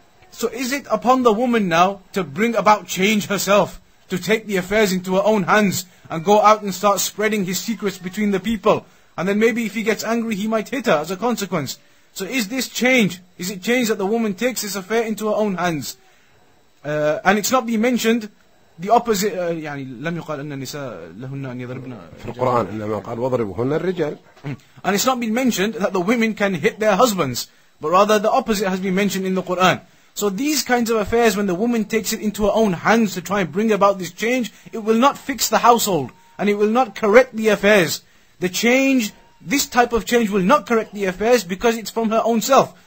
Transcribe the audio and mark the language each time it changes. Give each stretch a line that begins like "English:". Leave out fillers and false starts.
English: So is it upon the woman now to bring about change herself, to take the affairs into her own hands, and go out and start spreading his secrets between the people, and then maybe if he gets angry, he might hit her as a consequence? So is this change? Is it change that the woman takes this affair into her own hands? And it's not being mentioned, the opposite,
Arabic: يعني لم يقال أن النساء لهن أن يضربن في القرآن إنما قال وضربهن الرجال.
English: And it's not been mentioned that the women can hit their husbands, but rather the opposite has been mentioned in the Quran. So these kinds of affairs, when the woman takes it into her own hands to try and bring about this change, it will not fix the household, and it will not correct the affairs. The change, this type of change will not correct the affairs, because it's from her own self.